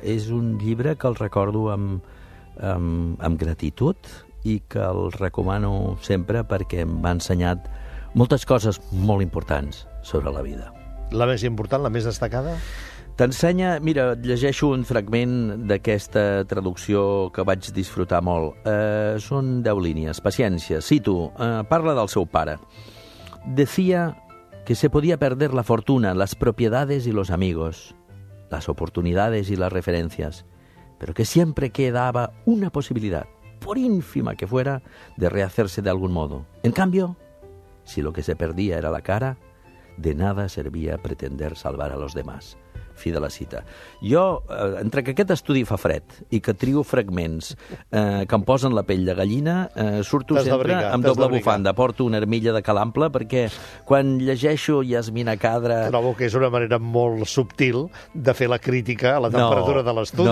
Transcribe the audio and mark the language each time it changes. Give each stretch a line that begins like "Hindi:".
Catalan: És un llibre que el recordo amb gratitud i que el recomano sempre perquè em va ensenyar moltes coses molt importants sobre la vida. La més important, la més destacada? T'ensenya, mira, et llegeixo un fragment d'aquesta traducció que vaig disfrutar molt. Són 10 línies, paciència. Cito, parla del seu pare.
Spanish: Decía que se podía perder la fortuna, las propiedades y los amigos, las oportunidades y las referencias, pero que siempre quedaba una posibilidad, por ínfima que fuera, de rehacerse de algún modo. En cambio, si lo que se perdía era la cara, de nada servía pretender salvar a los demás.
Catalan: Fi de la cita. Jo, entre que aquest estudi fa fred i que trio fragments que em posen la pell de gallina, surto sempre amb doble bufanda. Porto una armilla de calample perquè quan llegeixo Yasmina Kadra... Trobo que és una manera molt subtil de fer la crítica a la temperatura de l'estudi.